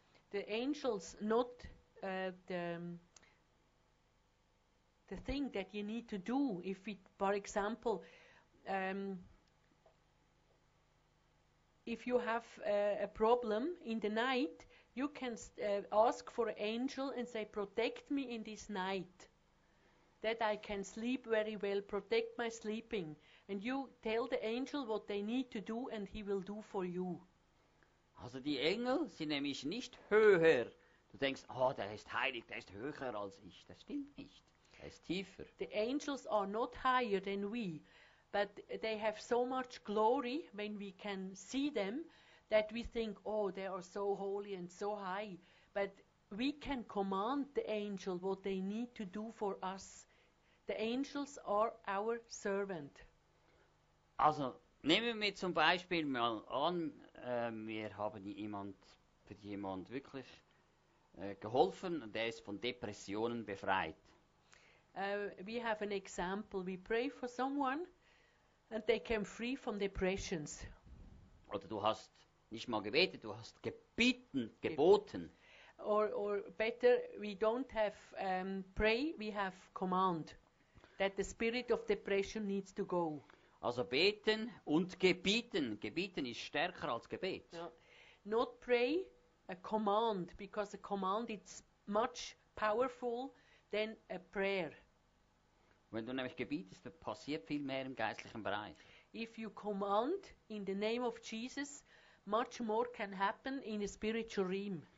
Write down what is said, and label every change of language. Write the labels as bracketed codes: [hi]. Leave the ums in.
[en] the angels not uh, the, the thing that you need to do if we, for example um, if you have uh, a problem in the night you can st- uh, ask for an angel and say protect me in this night that i can sleep very well protect my sleeping and you tell the angel what they need to do and he will do for you [de] Also die Engel sind nämlich nicht höher. Du denkst, ah, oh, der ist heilig, der ist höher als ich. Das stimmt nicht. Er ist tiefer. [en] The angels are not higher than we, but they have so much glory when we can see them, that we think, oh, they are so holy and so high. But we can command the angel what they need to do for us. The angels are our servant. [de] Also nehmen wir zum Beispiel mal an, [en] we have an example. We pray for someone and they came free from depressions. [de] Oder du hast nicht mal gebetet, du hast gebeten, geboten. [en] Or, or, better, we don't have um, pray, we have command. That the spirit of depression needs to go. [de] Also beten und gebieten. Gebieten ist stärker als Gebet. [en] Yeah. Not pray, a command, because a command is much powerful than a prayer. [de] Wenn du nämlich gebietest, passiert viel mehr im geistlichen Bereich. [en] If you command in the name of Jesus, much more can happen in a spiritual realm.